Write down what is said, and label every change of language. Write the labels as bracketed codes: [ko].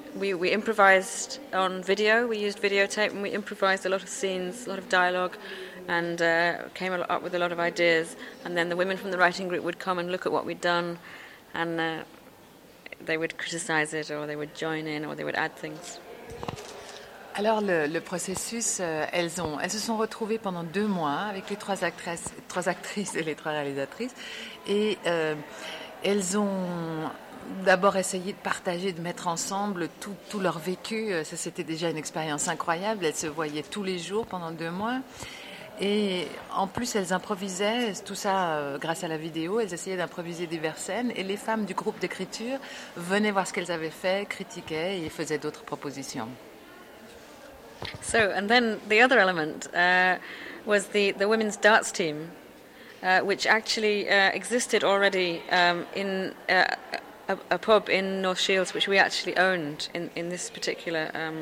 [en] We improvised on video. We used videotape, and we improvised a lot of scenes, a lot of dialogue, and came up with a lot of ideas. And then the women from the writing group would come and look at what we'd done, and they would criticize it, or they would join in, or they would add things. [fr] Alors le processus, elles se sont retrouvées pendant 2 mois avec les trois actrices et les trois réalisatrices, et elles ont d'abord essayé de partager, de mettre ensemble tout leur vécu. Ça, c'était déjà une expérience incroyable. Elles se voyaient tous les jours pendant 2 mois. Et en plus, elles improvisaient tout ça grâce à la vidéo. Elles essayaient d'improviser diverses scènes. Et les femmes du groupe d'écriture venaient voir ce qu'elles avaient fait, critiquaient et faisaient d'autres propositions. [en] So, and then the other element was the women's darts team, which actually existed already in a pub in North Shields, which we actually owned in this particular